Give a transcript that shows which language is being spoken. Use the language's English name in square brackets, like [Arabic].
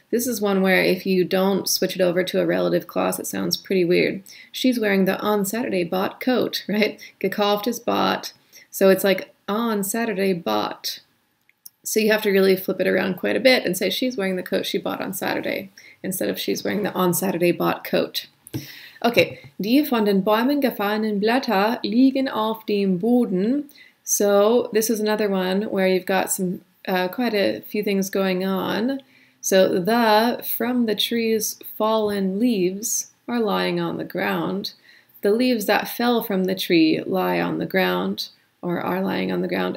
[English] This is one where if you don't switch it over to a relative clause, it sounds pretty weird. She's wearing the on Saturday bought coat, right? Gekauft is bought. So it's like on Saturday bought. So you have to really flip it around quite a bit and say she's wearing the coat she bought on Saturday instead of she's wearing the on Saturday bought coat. [German] Okay, die von den Bäumen gefallenen Blätter liegen auf dem Boden. [English] So this is another one where you've got some quite a few things going on. So the from the trees fallen leaves are lying on the ground. The leaves that fell from the tree lie on the ground or are lying on the ground.